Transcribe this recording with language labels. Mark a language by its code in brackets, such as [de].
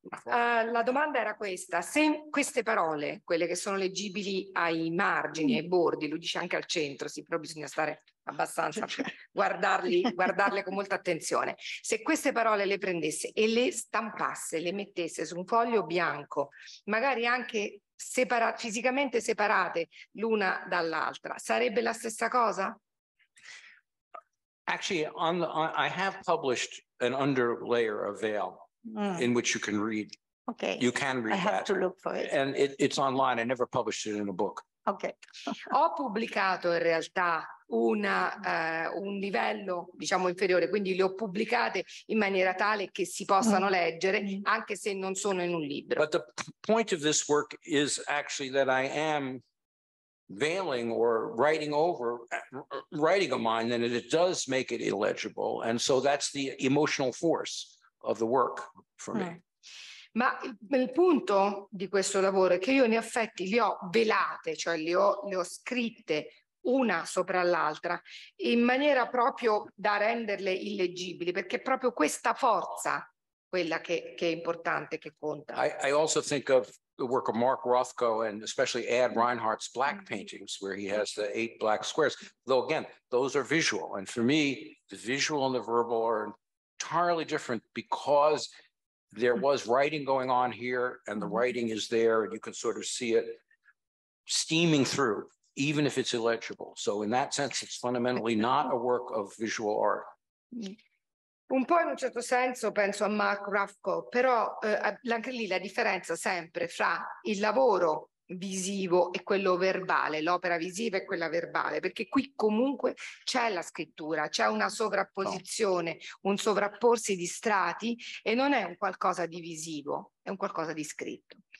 [it] La domanda era questa: se queste parole, quelle che sono leggibili ai margini, ai bordi, lui dice anche al centro, sì, però bisogna stare abbastanza, guardarle con molta attenzione. Se queste parole le prendesse e le stampasse, le mettesse su un foglio bianco, magari anche fisicamente separate l'una dall'altra, sarebbe la stessa cosa? [en] Actually, I have published an underlayer of veil in which you can read. Okay. You can read I have To look for it. And it's online. I never published it in a book. Okay. [it] Ho pubblicato in realtà una, un livello diciamo inferiore, quindi le ho pubblicate in maniera tale che si possano leggere anche se non sono in un libro. [en] But the point of this work is actually that I am veiling or writing over writing a mind, and it does make it illegible, and so that's the emotional force of the work for me. [it] Ma il punto di questo lavoro è che io in effetti li ho velate, cioè le ho scritte una sopra l'altra in maniera proprio da renderle illeggibili, perché è proprio questa forza quella che è importante, che conta. [en] I also think of the work of Mark Rothko and especially Ad Reinhardt's black paintings, where he has the eight black squares. Though again, those are visual, and for me, the visual and the verbal are entirely different, because there was writing going on here, and the writing is there, and you can sort of see it steaming through, even if it's illegible. So in that sense, it's fundamentally not a work of visual art. [it] Un po' in un certo senso penso a Mark Rothko, però anche lì la differenza sempre fra il lavoro visivo e quello verbale, l'opera visiva e quella verbale, perché qui comunque c'è la scrittura, c'è una sovrapposizione, un sovrapporsi di strati, e non è un qualcosa di visivo, è un qualcosa di scritto.